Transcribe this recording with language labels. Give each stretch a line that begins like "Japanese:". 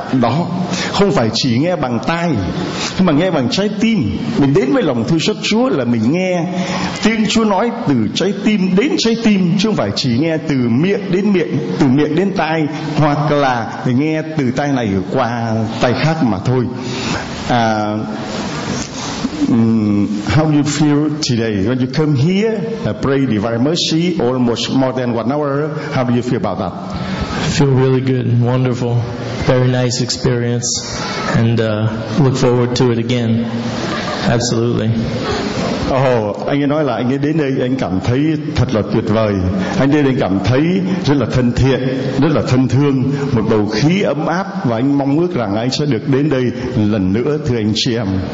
Vietnamese: Đó không phải chỉ nghe bằng tai mà nghe bằng trái tim. Mình đến với lòng thương xót Chúa là mình nghe Thiên Chúa nói từ trái tim đến trái tim, chứ không phải chỉ nghe từ miệng đến miệng, từ miệng đến tai, hoặc là nghe từ tai này qua tai khác mà thôi.
English: How you feel today when you come here pray Divine Mercy almost more than 1 hour? How do you feel about that? I feel really good, wonderful, very nice experience, and look forward to it again. Absolutely.
Vietnamese: Oh, anh ấy nói là anh ấy đến đây anh cảm thấy thật là tuyệt vời. Anh đến đây cảm thấy rất là thân thiện, rất là thân thương, một bầu khí ấm áp, và anh mong ước rằng anh sẽ được đến đây lần nữa, thưa anh chị em.